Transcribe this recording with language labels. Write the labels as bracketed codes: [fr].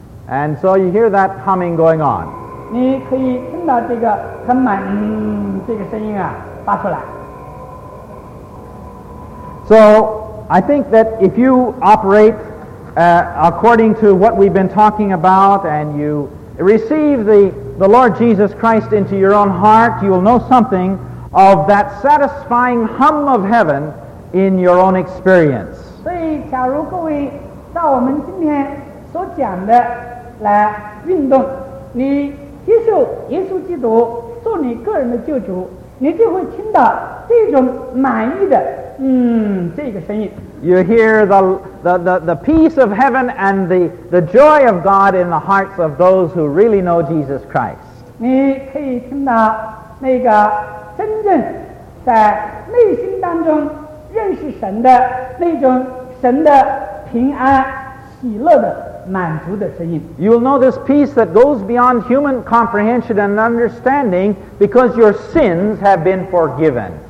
[en] And so you hear that humming going on. [zh] 你可以听到这个很满这个声音啊发出来。 [en] So I think that if you operate according to what we've been talking about and you receive the Lord Jesus Christ into your own heart, you will know something of that satisfying hum of heaven in your own experience. [zh] 所以假如各位照我们今天所讲的来运动，你接受耶稣基督做你个人的救主，你就会听到这种满意的这个声音。 [en] You hear the peace of heaven and the joy of God in the hearts of those who really know Jesus Christ. [zh] 你可以听到那个真正在内心当中认识神的那种神的平安喜乐的满足的声音。 [en] You will know this peace that goes beyond human comprehension and understanding because your sins have been forgiven.